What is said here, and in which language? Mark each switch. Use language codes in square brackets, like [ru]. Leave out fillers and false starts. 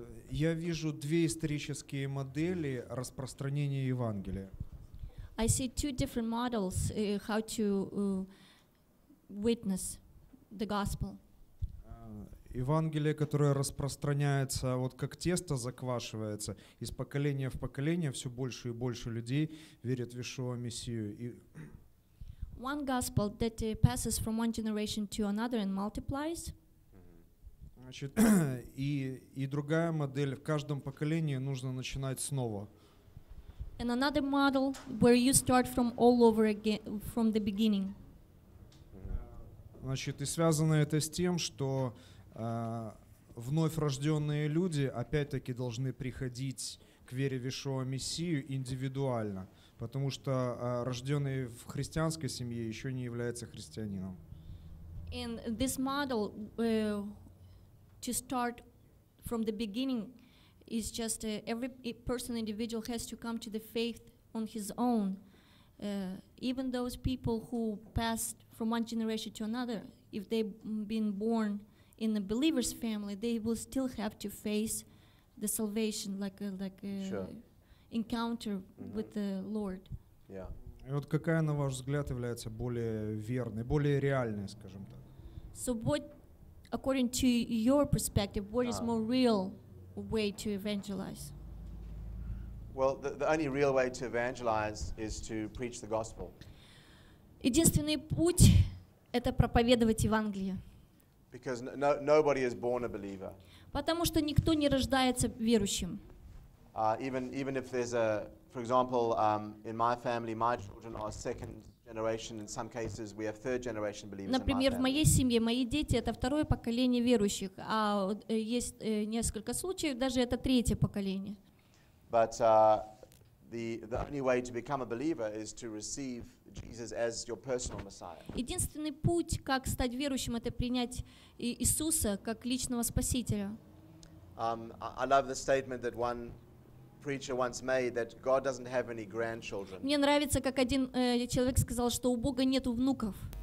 [ru] Я вижу две исторические модели распространения Евангелия. [en] I see two different models how to witness the gospel. [ru] Евангелие, которое распространяется, вот как тесто заквашивается, из поколения в поколение все больше и больше людей верят в Иешуа Мессию. [en] One gospel that passes from one generation to another and multiplies. [ru] Значит, и другая модель, в каждом поколении нужно начинать снова. [en] And another model where you start from all over again, from the beginning. [ru] Значит, и связано это с тем, что вновь рожденные люди опять-таки должны приходить к вере в Иешуа Мессию индивидуально, потому что рожденный в христианской семье еще не является христианином. [en] And this model to start from the beginning is just every person, individual has to come to the faith on his own. Even those people who passed from one generation to another, if they've been born in a believer's family, they will still have to face the salvation, like a sure. encounter mm-hmm. with the Lord. Yeah. [ru] И вот какая, на ваш взгляд, является более верной, более реальной, скажем так? [en] So what, according to your perspective, what is more real way to evangelize? Well, the only real way to evangelize is to preach the gospel. [ru] Единственный путь — это проповедовать Евангелие. [en] Because nobody is born a believer. [ru] Потому что никто не рождается верующим. [en] Even if there's a, for example, in my family, my children are second generation. In some cases, we have third generation believers. [ru] Например, в моей семье мои дети — это второе поколение верующих, а есть несколько случаев, даже это третье поколение. [en] But the only way to become a believer is to receive Jesus as your personal Messiah. [ru] Единственный путь, как стать верующим, это принять Иисуса как личного спасителя. [en] I love the statement that one preacher once made that God doesn't have any grandchildren. [ru] Мне нравится, как один человек сказал, что у Бога нету внуков.